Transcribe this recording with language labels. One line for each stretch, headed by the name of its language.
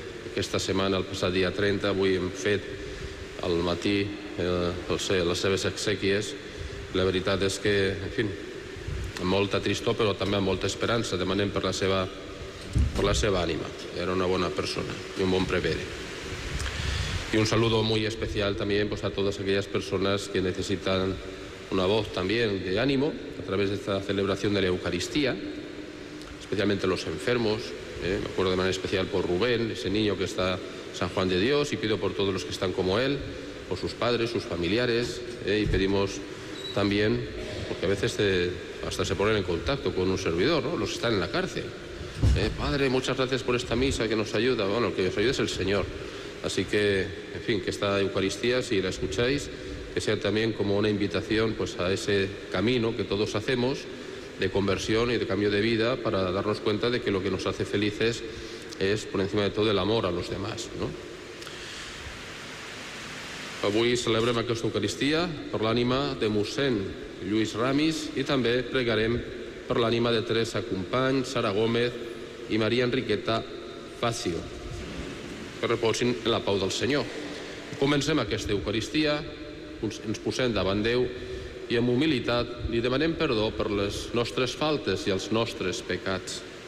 Catalan: Aquesta setmana, el passat dia 30, avui hem fet al matí les seves exèquies. La veritat és que, en fi, molta tristor, però també amb molta esperança. Demanem per la seva ànima. Era una bona persona i un bon prevere.
Spanish: Y un saludo muy especial también pues, a todas aquellas personas que necesitan una voz también de ánimo a través de esta celebración de la Eucaristía, especialmente los enfermos. Me acuerdo de manera especial por Rubén, ese niño que está en San Juan de Dios, y pido por todos los que están como él, por sus padres, sus familiares, y pedimos también, porque a veces hasta se ponen en contacto con un servidor, ¿no? Los que están en la cárcel. Padre, muchas gracias por esta misa que nos ayuda. Bueno, el que nos ayuda es el Señor. Así que, en fin, que esta Eucaristía, si la escucháis, que sea también como una invitación pues, a ese camino que todos hacemos de conversión y de cambio de vida para darnos cuenta de que lo que nos hace felices es, por encima de todo, el amor a los demás, ¿no?
Catalan: Avui celebrem aquesta Eucaristia per l'ànima de mossèn Lluís Ramis i també pregarem per l'ànima de Teresa Company, Sara Gómez i Maria Enriqueta Facio. Que reposin en la pau del Senyor. Comencem aquesta Eucaristia, ens posem davant Déu i amb humilitat li demanem perdó per les nostres faltes i els nostres pecats.